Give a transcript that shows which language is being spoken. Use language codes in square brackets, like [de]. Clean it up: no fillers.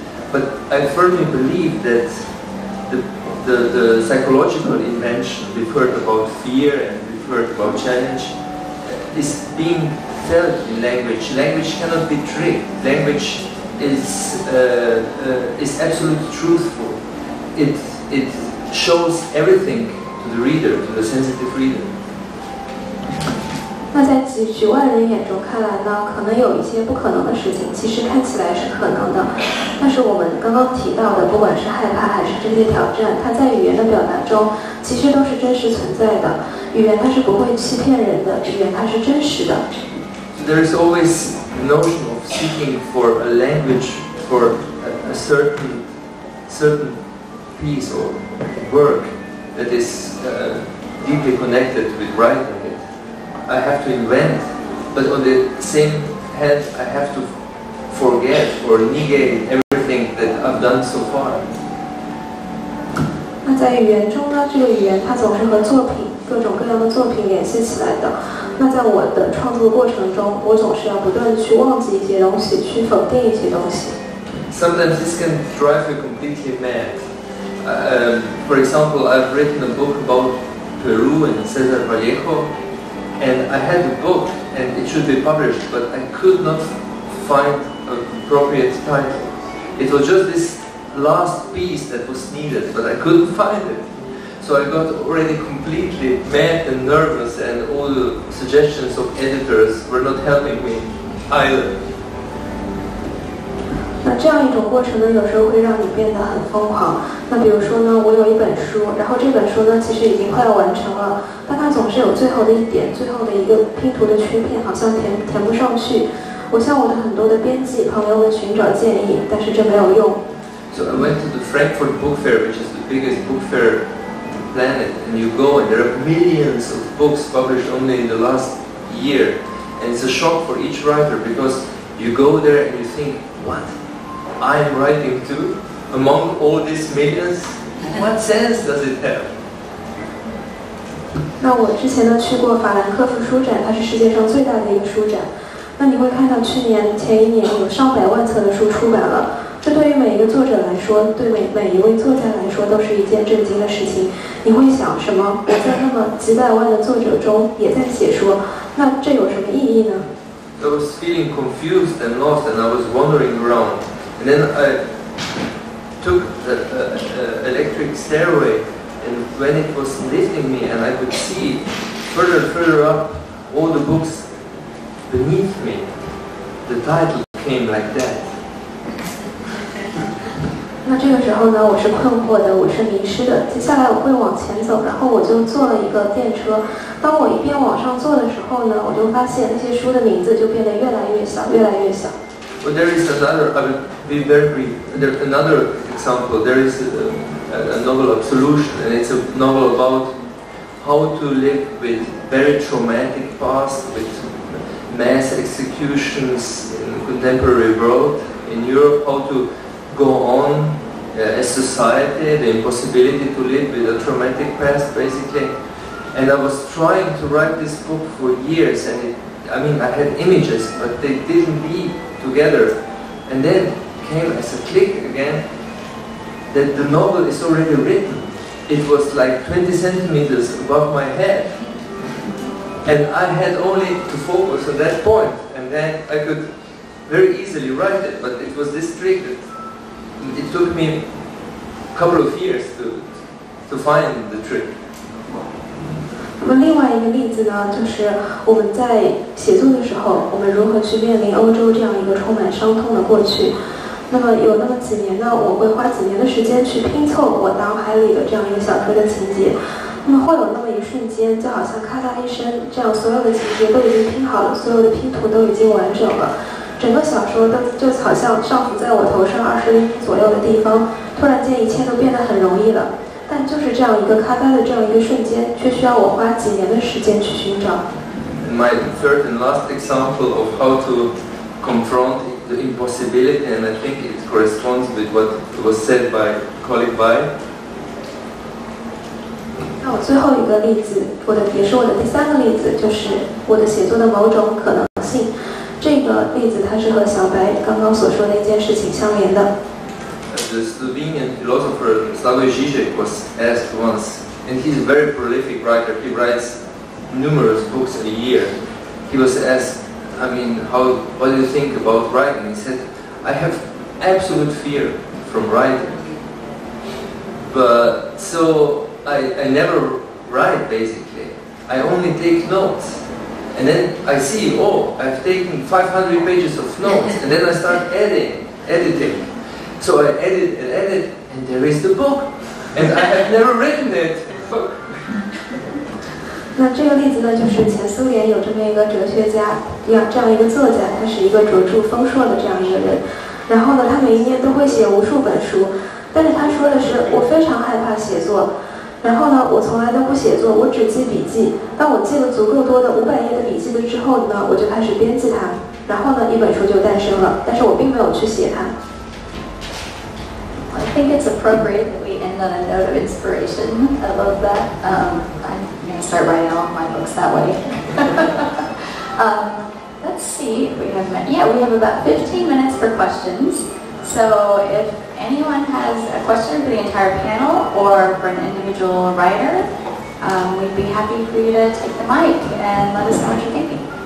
[en] But I firmly believe that the psychological invention, we've heard about fear and we've heard about challenge, is being felt in language. Language cannot be tricked. Language is absolutely truthful. It shows everything to the reader, to the sensitive reader. [zh] 那在几局外人眼中看来呢，可能有一些不可能的事情其实看起来是可能的，但是我们刚刚提到的不管是害怕还是这些挑战，它在语言的表达中其实都是真实存在的。语言它是不会欺骗人的，语言它是真实的。 [en] There is always the notion of seeking for a language for a certain piece or work that is deeply connected with writingI have to invent, but on the same hand, I have to forget or negate everything that I've done so far. [zh] 那在语言中呢，这个语言它总是和作品，各种各样的作品联系起来的。那在我的创作过程中，我总是要不断去忘记一些东西，去否定一些东西。 [en] Sometimes this can drive you completely mad. For example, I've written a book about Peru and Cesar Vallejo. And I had the book, and it should be published, but I could not find an appropriate title. It was just this last piece that was needed, but I couldn't find it. So I got already completely mad and nervous, and all the suggestions of editors were not helping me either. [zh] 那这样一种过程呢，有时候会让你变得很疯狂。那比如说呢，我有一本书，然后这本书呢其实已经快要完成了，但它总是有最后的一点，最后的一个拼图的缺片，好像填不上去。我向我的很多的编辑朋友们寻找建议，但是这没有用。 [en] So I went to the Frankfurt Book Fair, which is the biggest book fair on the planet, and you go and there are millions of books published only in the last year, and it's a shock for each writer because you go there and you think, whatI am writing too, among all these millions. What sense does it have? [zh] 那我之前呢去过法兰克福书展，它是世界上最大的一个书展。那你会看到前一年有上百万册的书出版了。这对于每一个作者来说，对每一位作家来说，都是一件震惊的事情。你会想什么？我在那么几百万的作者中也在写书，那这有什么意义呢？ [en] I was feeling confused and lost, and I was wandering around. And then I took the electric stairway, and when it was lifting me, and I could see further and further up all the books beneath me, the title came like that. [zh] 那这个时候呢，我是困惑的，我是迷失的。接下来我会往前走，然后我就坐了一个电车。当我一边往上坐的时候呢，我就发现那些书的名字就变得越来越小，越来越小。 [en] But there is another, I will be very brief, there, another example, there is a novel of solution, and it's a novel about how to live with very traumatic past, with mass executions in contemporary world, in Europe, how to go on as society, the impossibility to live with a traumatic past, basically. And I was trying to write this book for years, and I had images, but they didn't leaveTogether, and then came as a click again that the novel is already written. It was like 20 centimeters above my head, and I had only to focus on that point, and then I could very easily write it. But it was this trick that it took me a couple of years to to find the trick. [zh] 那么另外一个例子呢，就是我们在写作的时候，我们如何去面临欧洲这样一个充满伤痛的过去。那么有那么几年呢，我会花几年的时间去拼凑我脑海里的这样一个小说的情节。那么会有那么一瞬间，就好像咔嗒一声，这样所有的情节都已经拼好了，所有的拼图都已经完整了，整个小说都就好像漂浮在我头上20英里左右的地方，突然间一切都变得很容易了。但就是这样一个咔嗒的这样一个瞬间，却需要我花几年的时间去寻找。 [en] My third and last example of how to confront the impossibility, and I think it corresponds with what was said by colleague Bai. [zh] 那我最后一个例子，我的也是我的第三个例子，就是我的写作的某种可能性。这个例子它是和小白刚刚所说的一件事情相连的。 [en] The Slovenian philosopher Slavoj Žižek was asked once, and he's a very prolific writer, he writes numerous books a year. He was asked, I mean, what do you think about writing? He said, I have absolute fear from writing. But so I never write, basically. I only take notes. And then I see, oh, I've taken 500 pages of notes, and then I start editing. So I edit and edit, and there is the book, and I have never written it. [zh] 那这个例子呢，就是前苏联有这么一个哲学家，这样一个作家，他是一个卓著丰硕的这样一个人。然后呢，他每一年都会写无数本书，但是他说的是，我非常害怕写作。然后呢，我从来都不写作，我只记笔记。当我记了足够多的500页的笔记的之后呢，我就开始编辑它。然后呢，一本书就诞生了，但是我并没有去写它。 [en] I think it's appropriate that we end on a note of inspiration. I love that. I'm going to start writing all my books that way. let's see if we have met. Yeah, we have about 15 minutes for questions. So if anyone has a question for the entire panel or for an individual writer, we'd be happy for you to take the mic and let us know what you're thinking.